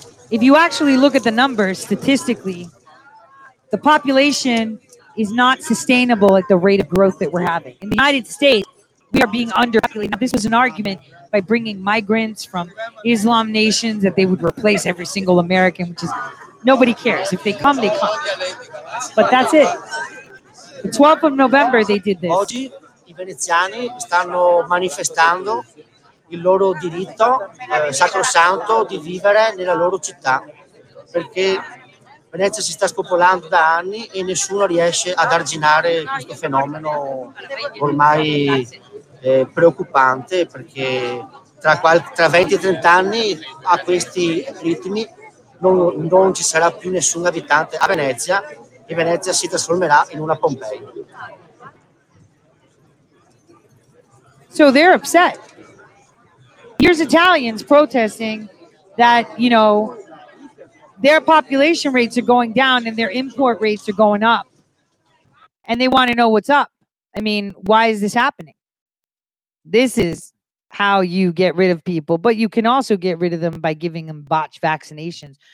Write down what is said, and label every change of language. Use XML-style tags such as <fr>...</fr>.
<en>If you actually look at the numbers statistically, the population is not sustainable at the rate of growth that we're having. In the United States, we are being underpopulated. Now, this was an argument by bringing migrants from Islam nations that they would replace every single American, which is nobody cares. If they come, they come. But that's it. The 12th of November, they did this.</en> <it>Oggi i veneziani stanno manifestando il loro diritto sacrosanto di vivere nella loro città, perché Venezia si sta spopolando da anni e nessuno riesce ad arginare questo fenomeno ormai preoccupante, perché tra 20 e 30 anni a questi ritmi non ci sarà più nessun abitante a Venezia e Venezia si trasformerà in una Pompei.</it> <en>So they're upset. Here's Italians protesting that, you know, their population rates are going down and their import rates are going up. And they want to know what's up. I mean, why is this happening? This is how you get rid of people, but you can also get rid of them by giving them botched vaccinations.</en>